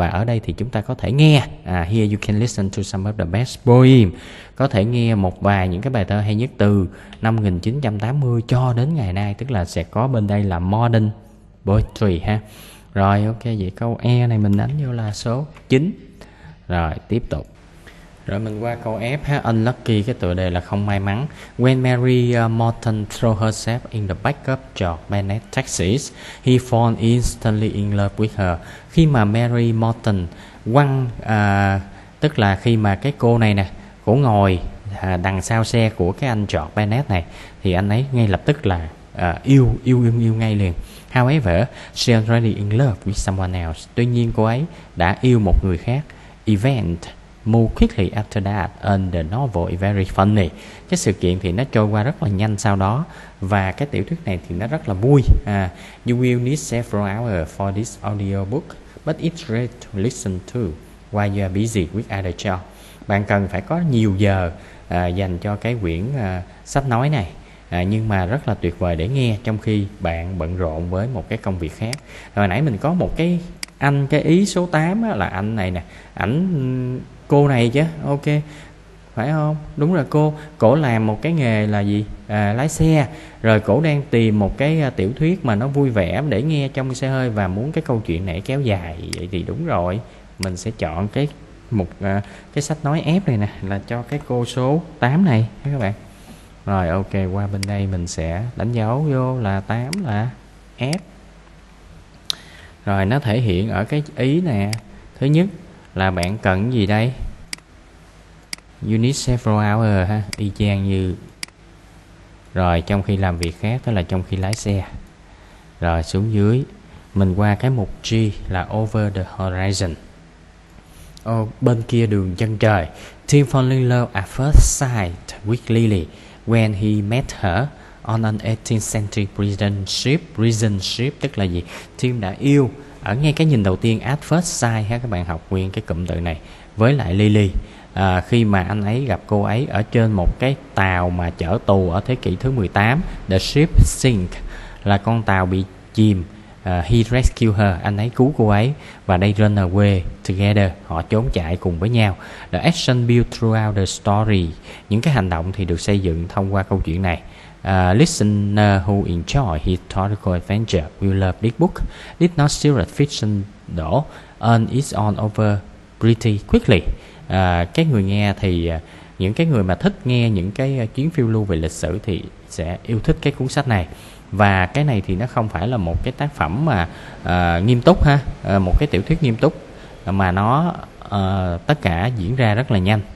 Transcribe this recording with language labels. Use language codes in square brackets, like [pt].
[vi] Và ở đây thì chúng ta có thể nghe, [en] here you can listen to some of the best poem, [vi] có thể nghe một vài những cái bài thơ hay nhất từ năm 1980 cho đến ngày nay, tức là sẽ có bên đây là modern poetry ha. Rồi ok, vậy câu E này mình đánh vô là số 9. Rồi tiếp tục. Rồi mình qua câu F ha. Unlucky, cái tựa đề là không may mắn. [en] When Mary Morton threw herself in the back of George Bennett's taxi, he fell instantly in love with her. [vi] Khi mà Mary Morton quăng, tức là khi mà cái cô này nè, cô ngồi đằng sau xe của cái anh George Bennett này, thì anh ấy ngay lập tức là yêu ngay liền. [en] However, she already in love with someone else. [vi] Tuy nhiên cô ấy đã yêu một người khác. [en] Event move quickly after that and the novel is very funny. [vi] Cái sự kiện thì nó trôi qua rất là nhanh sau đó và cái tiểu thuyết này thì nó rất là vui. [en] You will need several hours for this audiobook, but it's great to listen to while you are busy with other chores. [vi] Bạn cần phải có nhiều giờ dành cho cái quyển sách nói này, nhưng mà rất là tuyệt vời để nghe trong khi bạn bận rộn với một cái công việc khác. Hồi nãy mình có một cái anh, cái ý số 8 á, là anh này nè, ảnh cô này chứ, ok phải không? Đúng rồi, cô cổ làm một cái nghề là gì, lái xe. Rồi cổ đang tìm một cái tiểu thuyết mà nó vui vẻ để nghe trong xe hơi và muốn cái câu chuyện này kéo dài, vậy thì đúng rồi, mình sẽ chọn cái một cái sách nói ép này nè là cho cái cô số 8 này các bạn. Rồi ok, qua bên đây mình sẽ đánh dấu vô là 8 là ép. Rồi nó thể hiện ở cái ý nè, thứ nhất là bạn cần gì đây? [en] You need several hours ha, [vi] y chang như. Rồi trong khi làm việc khác, tức là trong khi lái xe. Rồi xuống dưới mình qua cái mục G là over the horizon. Ồ, bên kia đường chân trời. [en] Tim fell in love at first sight with Lily when he met her on an 18th century prison ship. [vi] Prison ship tức là gì? Tim đã yêu ở ngay cái nhìn đầu tiên, [en] at first sight [vi] ha, các bạn học nguyên cái cụm từ này, với lại Lily, khi mà anh ấy gặp cô ấy ở trên một cái tàu mà chở tù ở thế kỷ thứ 18, [en] the ship sink [vi] là con tàu bị chìm, [en] he rescued her, [vi] anh ấy cứu cô ấy. Và [en] they run away together, [vi] họ trốn chạy cùng với nhau. [en] The action built throughout the story, [vi] những cái hành động thì được xây dựng thông qua câu chuyện này. [en] Listener who enjoy historical adventure will love this book. This not serious fiction though, and it's on over pretty quickly. [vi] Cái người nghe thì những cái người mà thích nghe những cái chuyến phiêu lưu về lịch sử thì sẽ yêu thích cái cuốn sách này. Và cái này thì nó không phải là một cái tác phẩm mà nghiêm túc ha, một cái tiểu thuyết nghiêm túc, mà nó tất cả diễn ra rất là nhanh.